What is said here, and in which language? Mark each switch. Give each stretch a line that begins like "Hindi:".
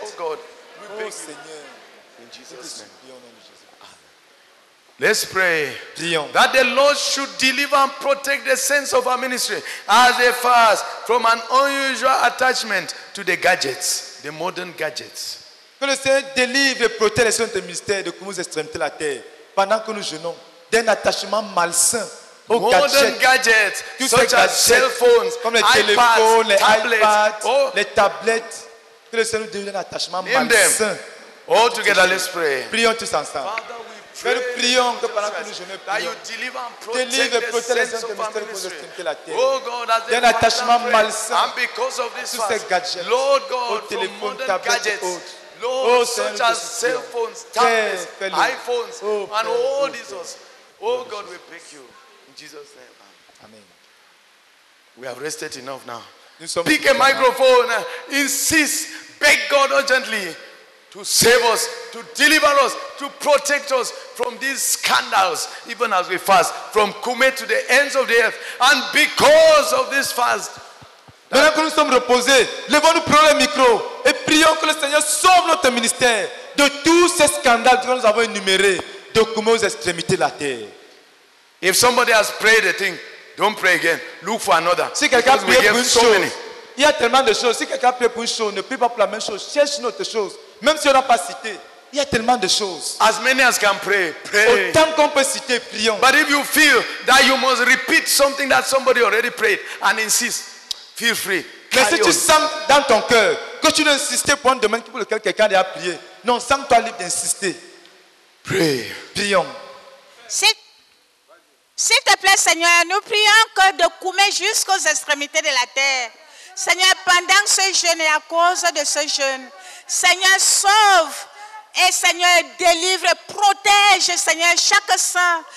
English: Oh God. Oh, Jesus. Let's pray.
French: Prions.
English: That the Lord should deliver and protect the saints of our ministry as they fast from an unusual attachment to the gadgets, the modern gadgets.
French: Que le Seigneur délivre et protège les saints du ministère de nos extrémités de la terre pendant que nous jeûnons d'un attachement malsain aux
English: modern gadgets, such as cell phones,
French: comme les
English: iPads,
French: les
English: tablets,
French: les tablettes. Que le Seigneur nous donne un attachement malsain.
English: All together, let's pray.
French: Prions tous ensemble.
English: Father, we pray.
French: Prions que pendant que nous jeûnons, prions.
English: Deliver and protect the saints of our ministry. Oh God, as they fast and pray.
French: D'un attachement malsain.
English: And because of this fast.
French: Tous ces gadgets.
English: Lord God, from modern gadgets. Lord, such as cell phones, tablets, iPhones, and all these. Oh God, we beg you. In Jesus' name. Amen. We have rested enough now. Pick a microphone, insist, beg God urgently to save us, to deliver us, to protect us from these scandals, even as we fast from Kume to the ends of the earth. And because of this fast,
French: maintenant que nous sommes reposés, levons-nous, prenons le micro et prions que le Seigneur sauve notre ministère de tous ces scandales que nous avons énumérés de Kume aux extrémités de la terre.
English: If somebody has prayed a thing, don't pray again. Look for another.
French: Si quelqu'un prie pour une chose, il y a tellement de choses. Si quelqu'un prie pour une chose, ne prie pas pour la même chose. Cherche une autre chose. Même si on n'a pas cité, il y a tellement de choses.
English: As many as can pray, pray.
French: Autant qu'on peut citer, prions.
English: But if you feel that you must repeat something that somebody already prayed and insist, feel free.
French: Mais si tu sens dans ton cœur que tu dois insister pour un domaine pour lequel quelqu'un a prié, non, sens-toi libre d'insister.
English: Pray.
French: Prions. S'il te plaît, Seigneur, nous prions que de Kume jusqu'aux extrémités de la terre. Seigneur, pendant ce jeûne et à cause de ce jeûne, Seigneur, sauve et Seigneur, délivre, protège, Seigneur, chaque saint.